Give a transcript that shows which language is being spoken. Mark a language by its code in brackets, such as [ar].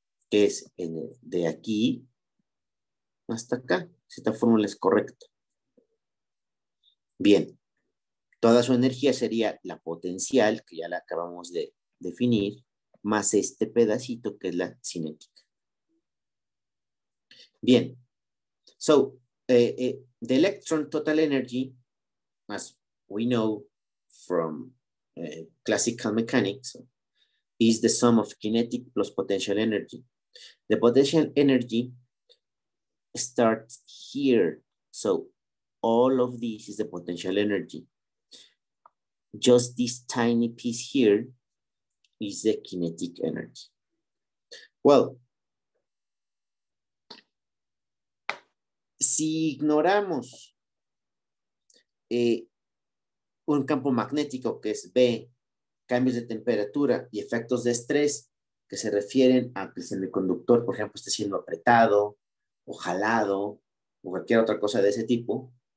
[es] Que es de aquí hasta acá. Si esta fórmula es correcta. Bien. Toda su energía sería la potencial, que ya la acabamos de definir, más este pedacito que es la cinética. Bien, [en] so, the electron total energy, as we know from classical mechanics, is the sum of kinetic plus potential energy. The potential energy starts here. So, all of this is the potential energy. Just this tiny piece here is the kinetic energy. Well, [es] si ignoramos un campo magnético que es B, cambios de temperatura y efectos de estrés que se refieren a que el semiconductor, por ejemplo, esté siendo apretado o jalado o cualquier otra cosa de ese tipo,